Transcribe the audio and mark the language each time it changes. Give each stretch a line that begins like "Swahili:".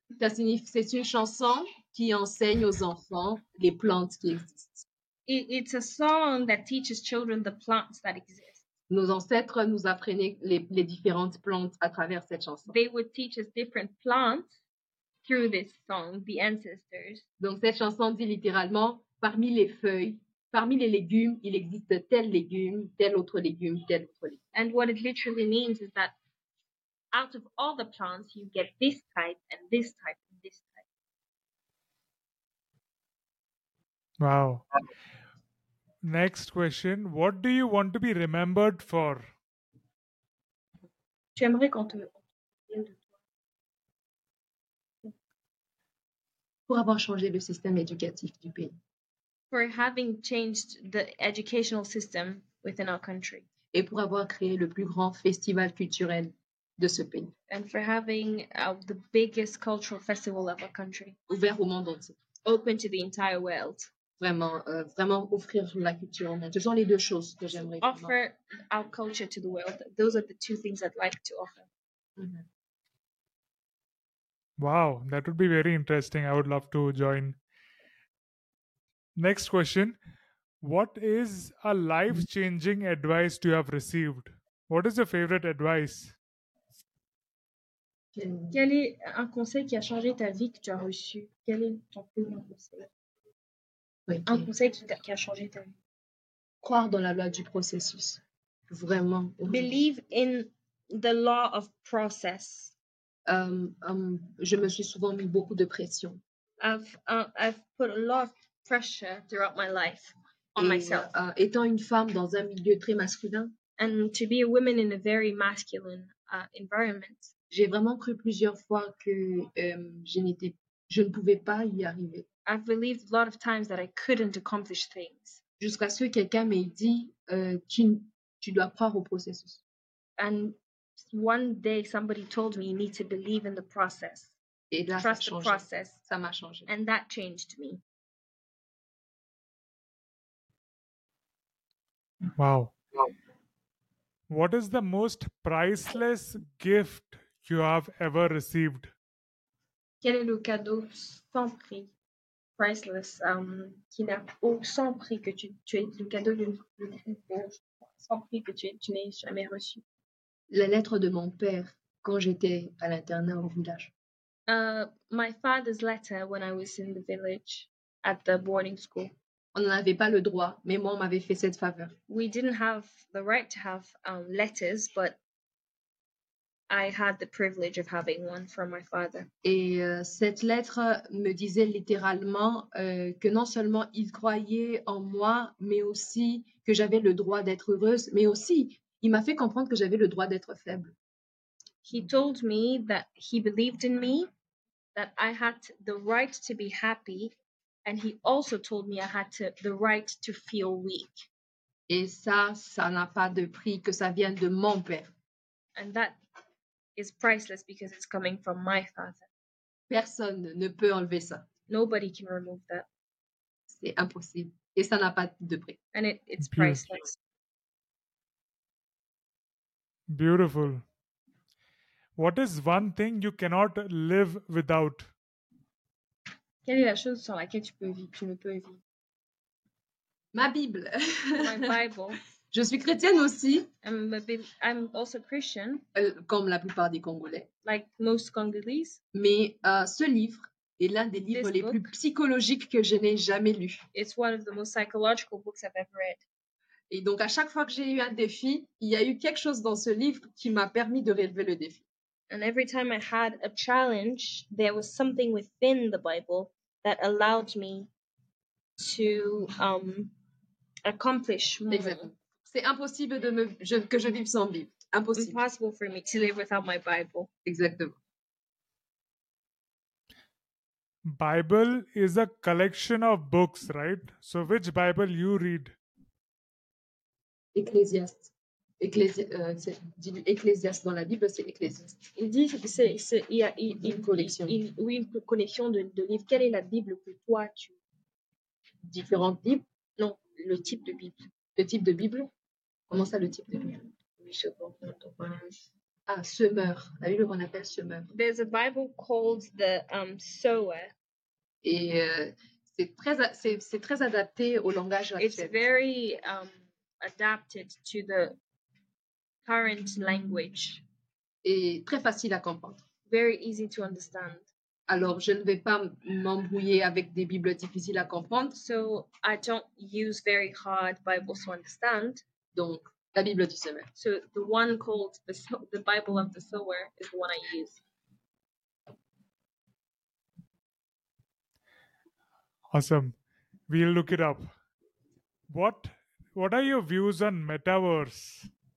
French: Ça signifie, c'est une chanson qui enseigne aux enfants les plantes qui existent.
English: It's a song that teaches children the plants that exist.
French: Nos ancêtres nous apprenaient les différentes plantes à travers cette chanson.
English: They would teach us different plants through this song, the ancestors.
French: Donc cette chanson dit littéralement, parmi les feuilles, parmi les légumes, il existe tel légume, tel autre légume, tel autre légume.
English: And what it literally means is that out of all the plants, you get this type and this type and this type. Wow. Next question. What do you want to be remembered for?
French: Tu aimerais qu'on te souvienne de toi. Pour avoir changé le système éducatif du pays.
English: For having changed the educational system within our country.
French: Et pour avoir créé le plus grand festival culturel. De ce pays.
English: And for having the biggest cultural festival of our country.
French: Ouvert au monde entier.
English: Open to the entire world.
French: Vraiment, vraiment offrir la culture. Ce sont les deux choses que j'aimerais.
English: So offer
French: vraiment.
English: Our culture to the world. Those are the two things I'd like to offer. Mm-hmm. Wow, that would be very interesting. I would love to join. Next question. What is a life-changing advice you have received? What is your favorite advice?
French: Quel est un conseil qui a changé ta vie que tu as reçu? Quel est ton plus grand conseil? Okay. Un conseil qui a changé ta vie. Croire dans la loi du processus. Vraiment.
English: Believe in the law of process.
French: Je me suis souvent mis beaucoup de pression.
English: I've put a lot of pressure throughout my life on
French: Et,
English: myself.
French: Étant une femme dans un milieu très masculin.
English: And to be a woman in a very masculine environment.
French: J'ai vraiment cru plusieurs fois que je ne pouvais pas y arriver.
English: I've believed a lot of times that I couldn't accomplish things.
French: Jusqu'à ce que quelqu'un m'ait dit tu dois croire au processus.
English: And one day somebody told me you need to believe in the process.
French: Et là,
English: trust
French: ça a changé.
English: The process.
French: Ça m'a changé.
English: And that changed me. Wow. What is the most priceless gift you have ever received?
French: Quel est le cadeau sans prix, priceless, qui n'a sans prix que tu es le cadeau sans prix que tu n'aies jamais reçu? La lettre de mon père quand j'étais à l'internat au village.
English: My father's letter when I was in the village at the boarding school.
French: On n'avait pas le droit, mais moi, on m'avait fait cette faveur.
English: We didn't have the right to have letters, but I had the privilege of having one from my father.
French: Et cette lettre me disait littéralement que non seulement il croyait en moi, mais aussi que j'avais le droit d'être heureuse, mais aussi il m'a fait comprendre que j'avais le droit d'être faible.
English: He told me that he believed in me, that I had the right to be happy, and he also told me I had the right to feel weak.
French: Et ça, ça n'a pas de prix, que ça vienne de mon père.
English: And that is priceless because it's coming from my father.
French: Personne ne peut enlever ça.
English: Nobody can remove that.
French: C'est impossible. Et ça n'a pas de prix.
English: And it's priceless. Beautiful. What is one thing you cannot live without?
French: Quelle est la chose sans laquelle tu ne peux vivre? Ma Bible.
English: My Bible.
French: Je suis chrétienne aussi.
English: I'm also Christian.
French: Comme la plupart des Congolais.
English: Like most Congolese.
French: Mais ce livre est l'un des livres les plus psychologiques que je n'ai jamais lu.
English: It's one of the most psychological books I've ever read.
French: Et donc à chaque fois que j'ai eu un défi, il y a eu quelque chose dans ce livre qui m'a permis de relever le défi.
English: And every time I had a challenge, there was something within the Bible that allowed me to accomplish more.
French: Exactement. C'est impossible de me je, que je vive sans Bible. Impossible.
English: Impossible for me to live without my Bible.
French: Exactement.
English: Bible is a collection of books, right? So which Bible you read?
French: Ecclésiaste. Ecclésiaste dans la Bible, c'est Ecclésiaste. Il dit que il y a une collection de livres. Quelle est la Bible que toi tu différentes Bibles? Non, le type de Bible. Le type de Bible? Comment ça, le type de Bible? Oui, je comprends. Ah, semeur. La Bible qu'on appelle semeur.
English: There's a Bible called the sower.
French: Et c'est très adapté au langage actuel.
English: It's very adapted to the current language.
French: Et très facile à comprendre.
English: Very easy to understand.
French: Alors, je ne vais pas m'embrouiller avec des Bibles difficiles à comprendre.
English: So, I don't use very hard Bibles to understand.
French: Donc, la Bible du semeur.
English: So, the one called the Bible of the sower is the one I use. Awesome. We'll look it up. What are your views on metaverse?